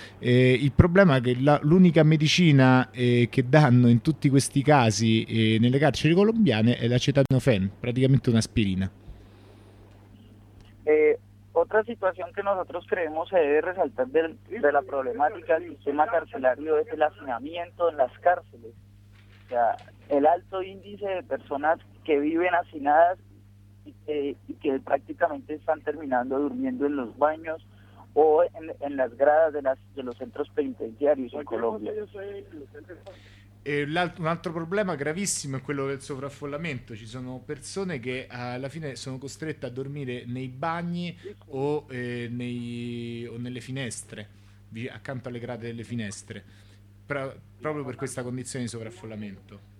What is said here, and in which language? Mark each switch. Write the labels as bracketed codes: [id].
[it] Il problema è che l'unica medicina che danno in tutti questi casi nelle carceri colombiane è l'acetaminofen, praticamente un'aspirina. [es] Otra situación que nosotros creemos se debe resaltar de la problemática del sistema carcelario es el hacinamiento en las cárceles, el alto índice de personas que viven hacinadas y que prácticamente están terminando durmiendo en los baños o en las gradas de los centros penitenciarios en Colombia. [it] Un altro problema gravissimo è quello del sovraffollamento. Ci sono persone che alla fine sono costrette a dormire nei bagni o nelle finestre, accanto alle grade delle finestre, proprio per questa condizione di sovraffollamento.